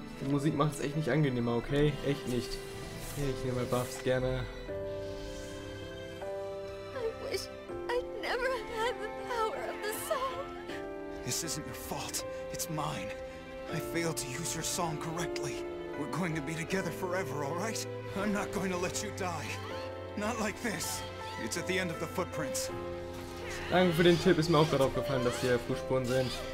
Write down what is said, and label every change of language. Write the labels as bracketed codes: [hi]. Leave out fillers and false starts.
[de] Musik macht es echt nicht angenehmer, okay? Echt nicht. Hey, ich nehme mal Buffs gerne. [en] I wish I'd never had the power of the song. This isn't your fault. It's mine. I failed to use your song correctly. We're going to be together forever, all right? I'm not going to let you die. Not like this. It's at the end of the footprints. [de] Danke für den Tipp. Ist mir auch gerade aufgefallen, dass hier Fußspuren sind.